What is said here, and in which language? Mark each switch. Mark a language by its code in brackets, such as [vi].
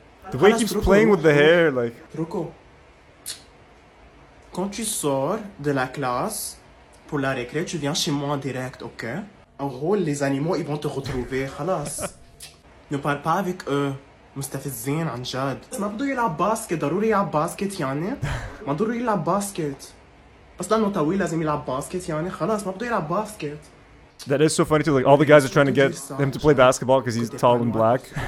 [en] The way he keeps playing with the hair, like. Truco. [fr] Quand tu sors de la classe pour la récré, tu viens chez moi en direct, ok? En gros, les animaux, ils vont te retrouver. [ar] خلاص. [fr] Ne parle pas avec eux. [ar] مستفزين عن جد. ما بدو يلعب باسكت. ضروري يلعب باسكت يعني. ما ضروري يلعب باسكت. بس لانه طويل لازم يلعب باسكت يعني خلاص ما بده يلعب باسكت. [en] That is so funny too, like all the guys are trying to get him to play basketball because he's tall and black.